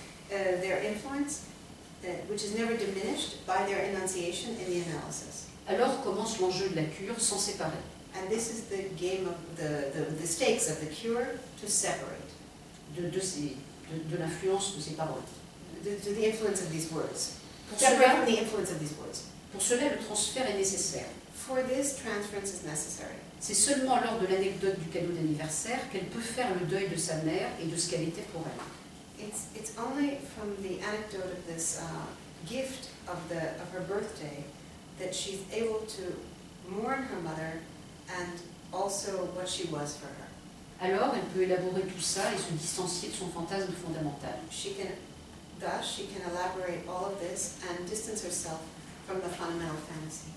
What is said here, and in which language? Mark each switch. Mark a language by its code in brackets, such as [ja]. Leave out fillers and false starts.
[en] their influence, which is never diminished by their enunciation in the analysis. [fr] Alors commence l'enjeu de la cure sans séparer. [en] And this is the game of the stakes of the cure to separate [fr] de l'influence de ces paroles. [en] To the influence of these words. Separate from the influence of these words. [fr] Pour cela, le transfert est nécessaire. [en] For this, transference is necessary. [fr] C'est seulement lors de l'anecdote du cadeau d'anniversaire qu'elle peut faire le deuil de sa mère et de ce qu'elle était pour elle. [en] It's only from the anecdote of this gift of her birthday that she's able to mourn her mother and also what she was for her. [fr] Alors, elle peut élaborer tout ça et se distancier de son fantasme fondamental. [en] She can elaborate all of this and distance herself from the fundamental fantasy.